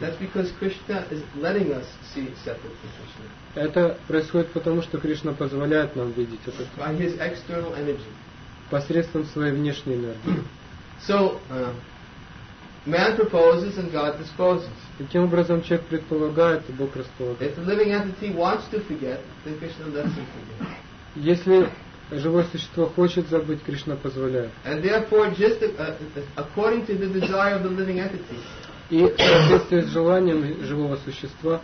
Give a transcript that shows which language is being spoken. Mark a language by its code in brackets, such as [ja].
[en] That's because Krishna is letting us see separate from Krishna. [ru] Это происходит потому, что Кришна позволяет нам видеть это. [en] By his external energy. [ru] Посредством своей внешней энергии. [en] So man proposes and God disposes. [ru] Таким образом человек предполагает, и Бог располагает. [en] If the living entity wants to forget, then Krishna lets him forget. [ru] Если живое существо хочет забыть, Кришна позволяет. [en] And therefore, just according to the desire of the living entity. [ru] И в соответствии с желанием живого существа.